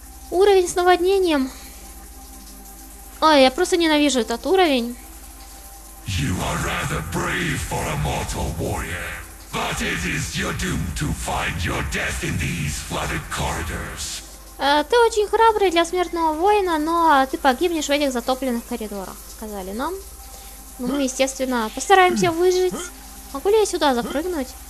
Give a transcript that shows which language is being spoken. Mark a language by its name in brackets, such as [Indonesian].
[Russian] Уровень с наводнением. Ой, я просто ненавижу этот уровень. [English] You are rather brave for a mortal warrior, but it is your doom to find your death in these flooded corridors. [Russian] Ты очень храбрый для смертного воина, но ты погибнешь в этих затопленных коридорах, сказали нам. Ну, мы, естественно, постараемся выжить. Могу ли я сюда запрыгнуть?